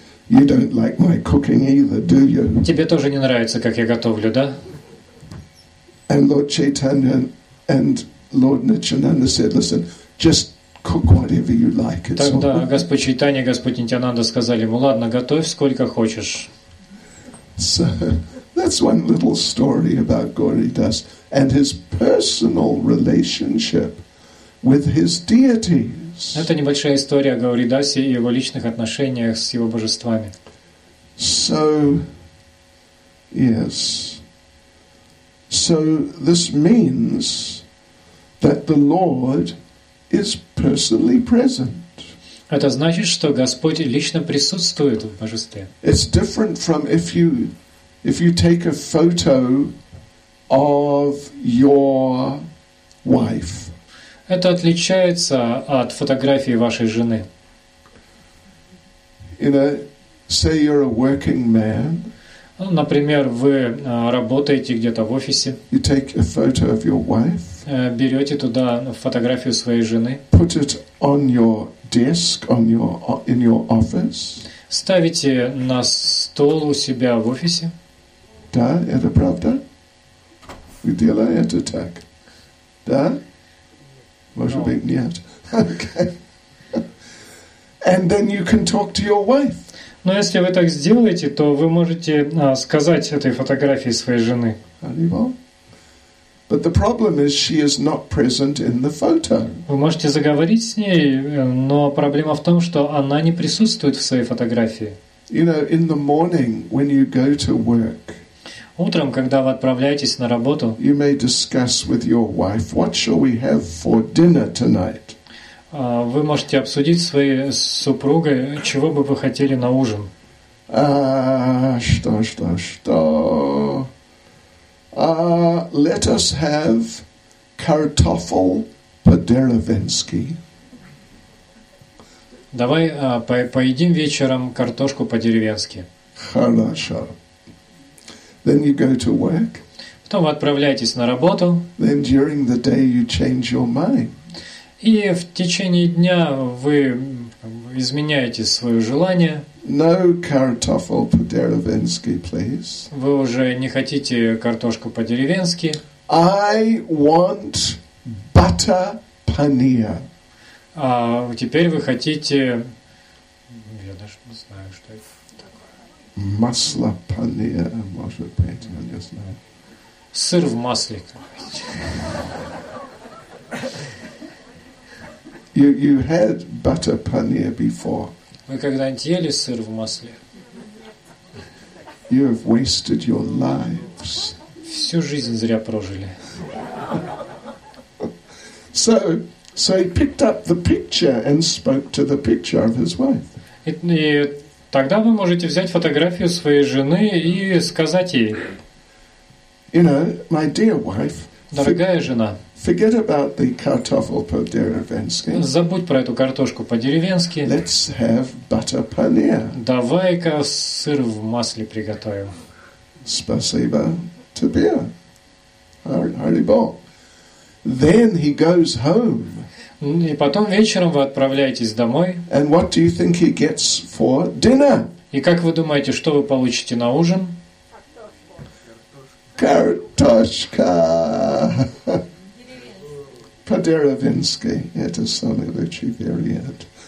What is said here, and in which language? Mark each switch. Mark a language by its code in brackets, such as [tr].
[en] You don't like my cooking either, do you? [ru] Тебе тоже не нравится, как я готовлю, да? [en] And Lord Chaitanya and Lord Nityananda said, "Listen, just cook whatever you like." It's [ru] Тогда [en] all. [ru] Господь Чайтанья и Господь Нитянанда сказали ему: "Ладно, готовь сколько хочешь." [en] So that's one little story about Gauridas and his personal relationship with his deities. [ru] Это небольшая история о Гауридасе и его личных отношениях с его божествами. [en] So, yes. So this means that the Lord is personally present. [ru] Это значит, что Господь лично присутствует в божестве. [en] It's different from if you take a photo of your wife. [ru] Это отличается от фотографии вашей жены. [en] You know, say you're a working man. [ru] Например, вы работаете где-то в офисе. [en] You take a photo of your wife. [ru] Берете туда фотографию своей жены. [en] Put it on your desk, on your in your office. [ru] Ставите на стол у себя в офисе. Да, это правда? Вы делаете так? Да? Может быть, нет. Okay. [en] And then you can talk to your wife. [ru] Но если вы так сделаете, то вы можете сказать этой фотографии своей жены. [en] But the problem is she is not present in the photo. [ru] Вы можете заговорить с ней, но проблема в том, что она не присутствует в своей фотографии. [en] You know, in the morning when you go to work. [ru] Утром, когда вы отправляетесь на работу, [en] you may discuss with your wife, what shall we have for dinner tonight? [ru] Вы можете обсудить с своей супругой, чего бы вы хотели на ужин. Что? [en] Let us have kartoffel [ru] по-деревенски. Давай поедим вечером картошку по-деревенски. Хорошо. [en] Then you go to work. [ru] Потом вы отправляетесь на работу. [en] Then during the day you change your mind. [ru] И в течение дня вы изменяете свое желание. [en] No kartoffel [ru] по-деревенски, [en] please. [ru] Вы уже не хотите картошку по-деревенски. [en] I want butter paneer. [ru] А теперь вы хотите, я даже не знаю, что это. Масло панир, может быть, я не знаю. Сыр в масле. [en] You had butter panir before. [ru] Вы когда-нибудь ели сыр в масле? [en] You have wasted your lives. [ru] Всю жизнь зря прожили. [en] So he picked up the picture and spoke to the picture of his wife. [ru] Тогда вы можете взять фотографию своей жены и сказать ей: [en] You know, my dear wife, [ru] дорогая жена, [en] forget about the kartoffel [ru] по-деревенски. Забудь про эту картошку по-деревенски. [en] Let's have butter paneer. [ru] Давай-ка сыр в масле приготовим. Спасибо тебе. Hare Bol. [en] Then he goes home. [ru] И потом вечером вы отправляетесь домой. [en] And what do you think he gets for dinner? [ru] И как вы думаете, что вы получите на ужин? Картошка. По-деревенски. Это самый лучший вариант.